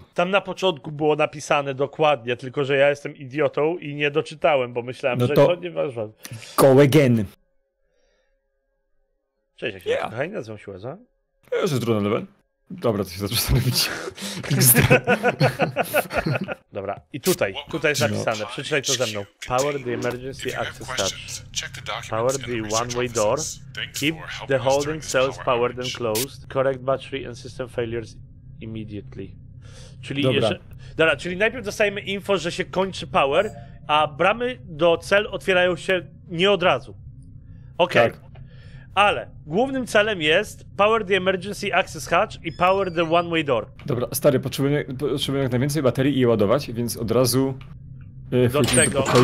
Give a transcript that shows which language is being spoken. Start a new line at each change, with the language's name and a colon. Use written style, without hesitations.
Polish: Tam na początku było napisane dokładnie, tylko że ja jestem idiotą i nie doczytałem, bo myślałem, no że to nie ważne.
English: Go again.
Polish: Cześć, jak się
English: yeah.
Polish: Kochani, nazywam się Łeza. Ja jestem Drona Leven. Dobra, to się zaczyna robić. Dobra, i tutaj jest napisane. Przeczytaj to ze mną.
English: Power the emergency access hatch. Power the one-way door. Keep the holding cells powered and closed. Correct battery and system failures immediately.
Polish: Czyli dobra. Dobra, czyli najpierw dostajemy info, że się kończy power, a bramy do cel otwierają się nie od razu. Okej.
English: Okay.
Polish: Tak. Ale głównym celem jest
English: power the emergency access hatch
Polish: i
English: power the one-way door.
Polish: Dobra, stary, potrzebujemy jak najwięcej baterii i je ładować, więc od razu wchodzimy do pokoju